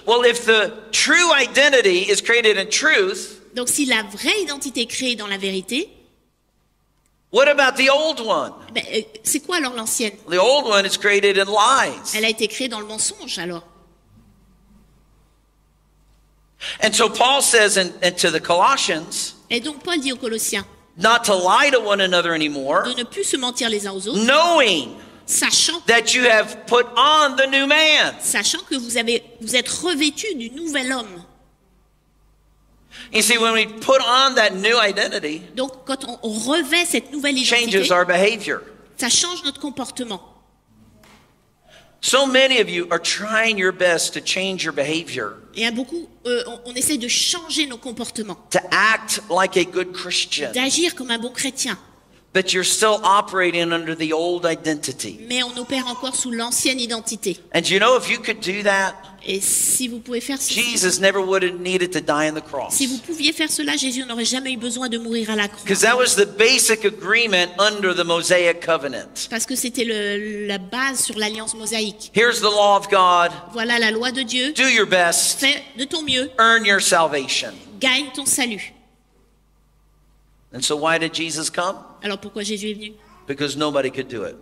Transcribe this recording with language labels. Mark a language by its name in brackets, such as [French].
[English] Well, if the true identity is created in truth, [French] donc si la vraie identité est créée dans la vérité, [English] what about the old one? [French] Mais c'est quoi alors l'ancienne? [English] The old one is created in lies. [French] Elle a été créée dans le mensonge alors. [English] And so Paul says in to the Colossians, [French] et donc Paul dit aux Colossiens, [English] not to lie to one another anymore, [French] de ne plus se mentir les uns aux autres, [English] knowing [French] sachant [English] that you have put on the new man. [French] Sachant que vous êtes revêtu du nouvel homme. [English] You see, when we put on that new identity, [French] donc quand on revêt cette nouvelle identité, [English] changes our behavior. [French] Ça change notre comportement. [English] So many of you are trying your best to change your behavior. [French] Et à beaucoup, on essaie de changer nos comportements. [English] To act like a good Christian. [French] D'agir comme un bon chrétien. [English] But you're still operating under the old identity. [French] Mais on opère encore sous l'ancienne identité. [English] And you know, if you could do that, [French] et si vous pouvez faire ceci, [English] Jesus never would have needed to die on the cross. [French] Si vous pouviez faire cela, Jésus n'aurait jamais eu besoin de mourir à la croix. [English] Because that was the basic agreement under the Mosaic covenant. [French] Parce que c'était la base sur l'alliance mosaïque. [English] Here's the law of God. [French] Voilà la loi de Dieu. [English] Do your best. [French] Fais de ton mieux. [English] Earn your salvation. [French] Gagne ton salut. [English] And so why did Jesus come? [French] Alors pourquoi Jésus est venu? [English] Because nobody could do it.